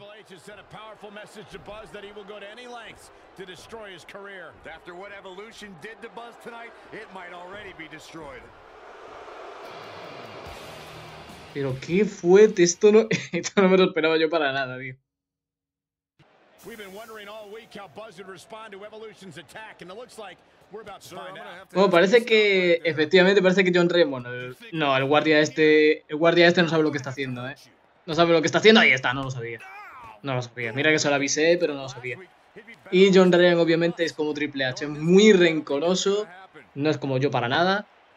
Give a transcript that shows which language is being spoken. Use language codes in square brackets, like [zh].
[en] Triple H has sent a powerful message to Buzz that he will go to any lengths to destroy his career. After what Evolution did to Buzz tonight, it might already be destroyed. [es] Pero qué fuerte. Esto no me lo esperaba yo para nada, tío. [en] We've been wondering all week how Buzz would respond to Evolution's attack, and it looks like. [es] Bueno, parece que, efectivamente, parece que John Ryan, bueno, el guardia este no sabe lo que está haciendo, ¿eh? No sabe lo que está haciendo, ahí está, no lo sabía. Mira que se lo avisé, pero no lo sabía. Y John Ryan, obviamente, es como Triple H, muy rencoroso, no es como yo para nada.